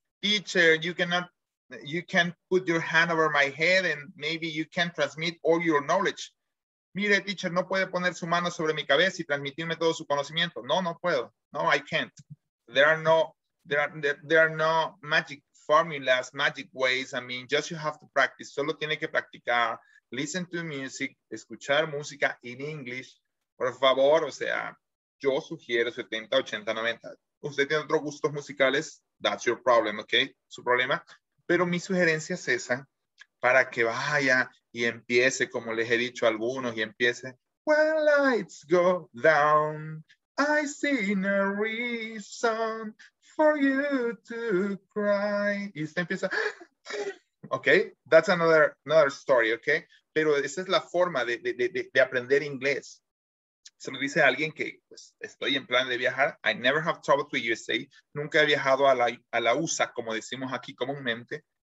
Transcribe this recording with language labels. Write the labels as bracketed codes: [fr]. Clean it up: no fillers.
[en] Teacher, you can put your hand over my head and maybe you can transmit all your knowledge. [es] Mire, teacher, no puede poner su mano sobre mi cabeza y transmitirme todo su conocimiento. No puedo. No, [en] I can't. There are no magic formulas, magic ways. I mean, just you have to practice. [es] Solo tiene que practicar. [en] Listen to music, [es] escuchar música [en] in English. [es] Por favor, o sea, yo sugiero 70, 80, 90. Usted tiene otros gustos musicales, [en] that's your problem, [es] ¿ok? Su problema. Pero mi sugerencia es esa, para que vaya y empiece, como les he dicho a algunos, y empiece. [en] When lights go down, I see no reason for you to cry. [es] Y usted empieza. ¿Ok? [en] That's another story, [es] ¿ok? Pero esa es la forma de aprender inglés. Se lo dice a alguien que, pues, estoy en plan de viajar. [en] I never have traveled to USA. [es] Nunca he viajado a la USA, como decimos aquí comúnmente.